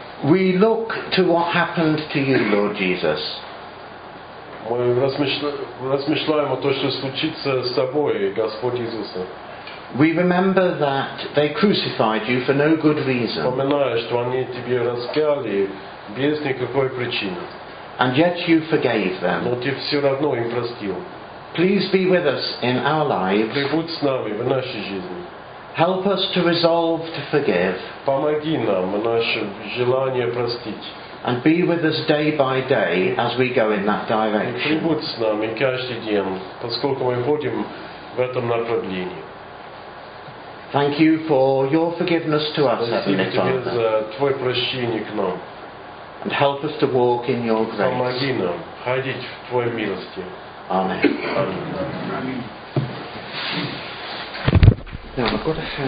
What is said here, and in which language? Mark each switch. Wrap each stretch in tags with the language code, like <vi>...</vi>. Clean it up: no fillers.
<en>We look to what happened to you, Lord Jesus.</en> <ru>Мы размышляем о том, что случится с тобой, Господь Иисус.</ru> <en>We remember that they crucified you for no good reason.</en> <ru>Вспоминаю, что они тебя распяли без никакой причины.</ru> <en>And yet you forgave them.</en> <ru>Но ты все равно им простил.</ru> <en>Please be with us in our lives.</en> <ru>Прибудь с нами в нашей жизни.</ru> <en>Help us to resolve to forgive.</en> <ru>Помоги нам в нашем желании простить.</ru> <en>And be with us day by day as we go in that direction.</en> <ru>Прибудь с нами каждый день, поскольку мы ходим в этом направлении.</ru> <en>Thank you for your forgiveness to us, Heavenly Father.</en> <ru>Спасибо тебе за твое прощение к нам.</ru> <en>And help us to walk in your grace.</en> <ru>Помоги нам ходить в твоей милости.</ru> <en>Amen. Amen. Now, I've got a hand.</en>